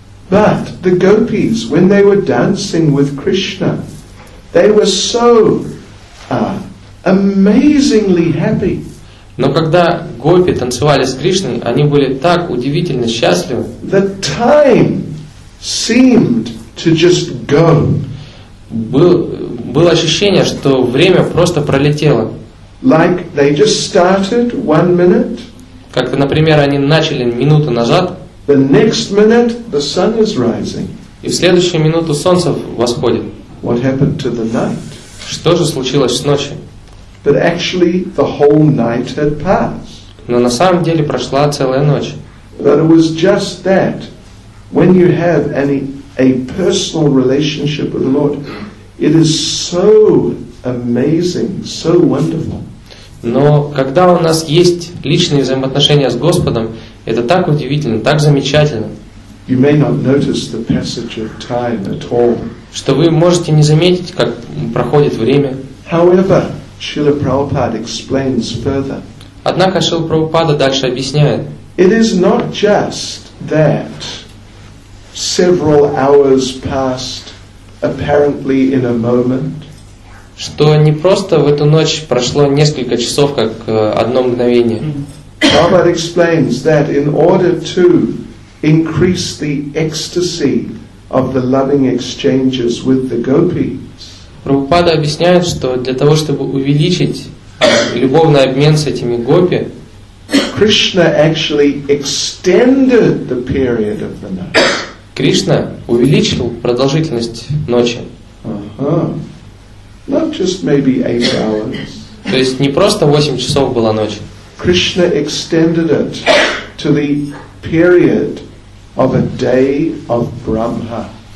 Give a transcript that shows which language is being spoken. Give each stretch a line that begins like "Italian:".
English: But the gopis, when they were dancing with Krishna, they were so amazingly happy.
Russian: Но когда гопи танцевали с Кришной, они были так удивительно счастливы.
English: The time seemed to just go.
Russian: Было ощущение, что время просто пролетело.
English: Like they just started 1 minute.
Russian: Как, например, они начали минуту назад.
English: The next minute the sun is rising.
Russian: И в следующую минуту солнце восходит.
English: What happened to the night?
Russian: Что же случилось с ночью?
English: But actually the whole night had passed.
Russian: Но на самом деле прошла целая ночь.
English: But it was just that when you have a personal relationship with the Lord, it is so amazing, so wonderful.
Russian: Но когда у нас есть личные взаимоотношения с Господом, это так удивительно, так замечательно.
English: You may not notice the passage of time at all.
Russian: Что вы можете не заметить, как проходит время.
English: However, Srila Prabhupada explains further.
Russian: Однако Шрила Прабхупада дальше объясняет.
English: It is not just that several hours passed apparently in a moment.
Russian: Что не просто в эту ночь прошло несколько часов, как одно мгновение.
English: Prabhupada explains that in order to increase the ecstasy of the loving exchanges with the gopis.
Russian: Прабхупада объясняет, что для того, чтобы увеличить любовный обмен с этими гопи,
English: Krishna actually extended the period of the night.
Russian: Кришна увеличил продолжительность ночи.
English: Uh-huh. Not just maybe 8 hours.
Russian: То есть не просто 8 часов была ночь.
English: Krishna extended it to the period of a day of Brahma.